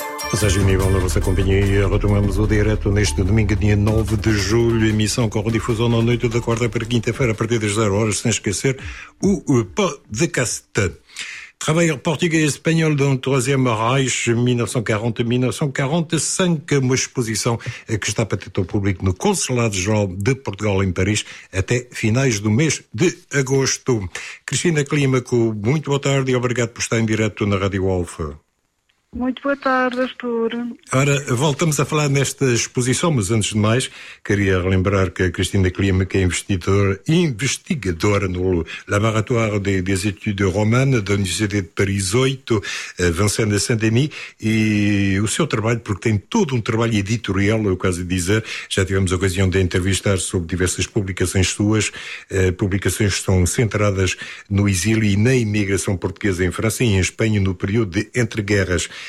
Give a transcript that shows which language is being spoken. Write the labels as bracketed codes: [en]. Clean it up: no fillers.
[pt] Passagem nível da vossa companhia, retomamos o direto neste domingo, dia 9 de julho, emissão com redifusão na noite da quarta para quinta-feira, a partir das 0 horas, sem esquecer o podcast. [fr] Travailleur portugais et espagnol dans le Troisième Reich, 1940-1945, une exposition qui est peut-être au public no Consulat General de Portugal em Paris, [pt] até finais do mês de agosto. Cristina Clímaco, muito boa tarde e obrigado por estar em direto na Rádio Alfa. Muito boa tarde, Astor. Ora, voltamos a falar nesta exposição, mas antes de mais, queria relembrar que a Cristina Clima, que é investigadora no Laboratório des Études Romanes da Universidade de Paris 8, Vincent de Saint-Denis, e o seu trabalho, porque tem todo um trabalho editorial, eu quase dizer, já tivemos a ocasião de entrevistar sobre diversas publicações suas, publicações que estão centradas no exílio e na imigração portuguesa em França e em Espanha no período de entreguerras.